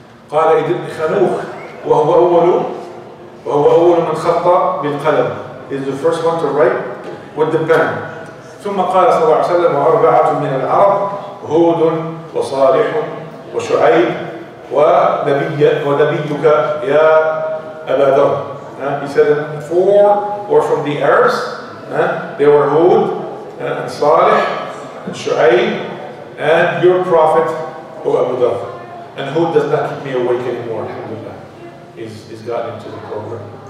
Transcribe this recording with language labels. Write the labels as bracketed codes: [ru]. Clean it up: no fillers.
[ar] قال إدريس خنوخ وهو أول من خطى بالقلم. [en] He's the first one to write with the pen. [ar] ثم قال صلى الله عليه وسلم أربعة من العرب هود وصالح وشعيب ونبيك يا أبا ذر. [en] He said four were from the Arabs. They were Hud and Salih and Shu'aib and your prophet who Abu Dhar. And Hud does not keep me awake anymore. Alhamdulillah, he's gotten into the program.